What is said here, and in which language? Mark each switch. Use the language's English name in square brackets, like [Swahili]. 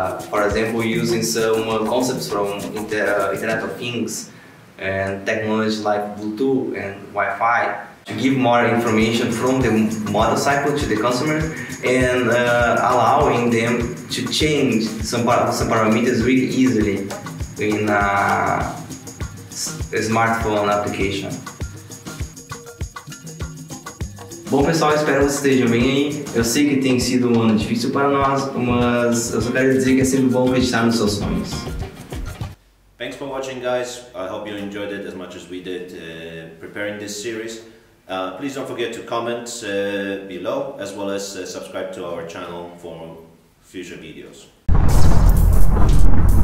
[English] For example, using some concepts from Internet of Things and technology like Bluetooth and Wi-Fi to give more information from the motorcycle to the consumer and allowing them to change some parameters really easily in a smartphone application. [Portuguese] Bom pessoal, espero que vocês estejam bem aí. Eu sei que tem sido um ano difícil para nós, mas eu só quero dizer que é sempre bom acreditar nos seus sonhos. [English] Thanks for watching, guys. I hope you enjoyed it as much as we did preparing this series. Please don't forget to comment below as well as subscribe to our channel for future videos.